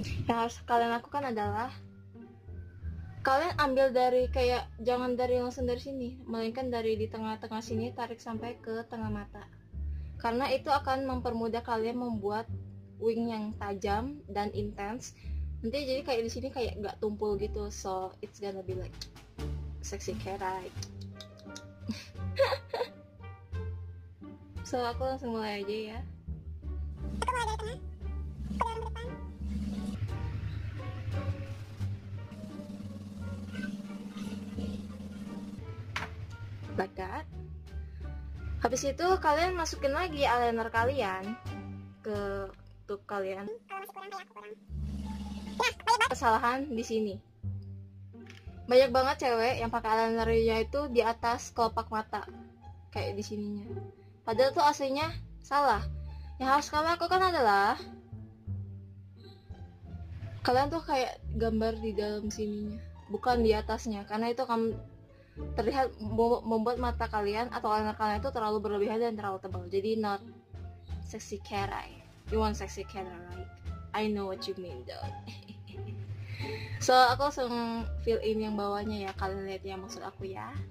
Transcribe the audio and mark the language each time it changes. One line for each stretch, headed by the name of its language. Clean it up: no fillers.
Indonesian: Yang harus kalian lakukan adalah, kalian ambil dari kayak, jangan dari langsung dari sini, melainkan dari di tengah-tengah sini, tarik sampai ke tengah mata. Karena itu akan mempermudah kalian membuat wing yang tajam dan intense. Nanti jadi kayak di sini kayak gak tumpul gitu.
English: So it's gonna be like sexy cat right?
Indonesian: So aku langsung mulai aja ya. Aku mulai dari tengah, ke dalam, ke depan.
English: Like that.
Indonesian: Habis itu kalian masukin lagi eyeliner kalian ke tube kalian. Kesalahan di sini. Banyak banget cewek yang pakai eyelinernya itu di atas kelopak mata kayak di sininya. Padahal tuh aslinya salah. Yang harus kalian lakukan adalah kalian tuh kayak gambar di dalam sininya, bukan di atasnya, karena itu akan terlihat membuat mata kalian atau eyeliner kalian itu terlalu berlebihan dan terlalu tebal.
English: Jadi not sexy cat eye. You want sexy cat eye, right? I know what you mean, though.
Indonesian: So, aku langsung
English: fill in
Indonesian: yang bawahnya ya, kalian lihat yang maksud aku ya.